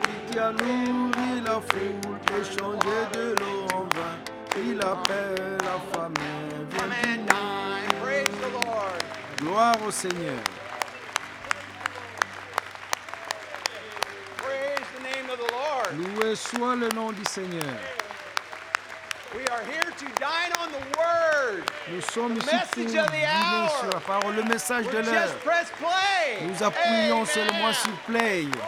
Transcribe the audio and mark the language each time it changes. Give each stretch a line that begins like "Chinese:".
French: Qui a nourri la foule et changé de l'eau en vin. Il appelle la femme.
English: Amen. Praise the Lord.
French: Gloire au Seigneur.
English: Praise the name of the Lord.
French: Loué soit le nom du Seigneur.
English: We are here to dine on the word.
French: Nous sommes ici pour dîner sur la parole, le message de l'heure.
English: Just press play.
French: Nous appuyons seulement sur play.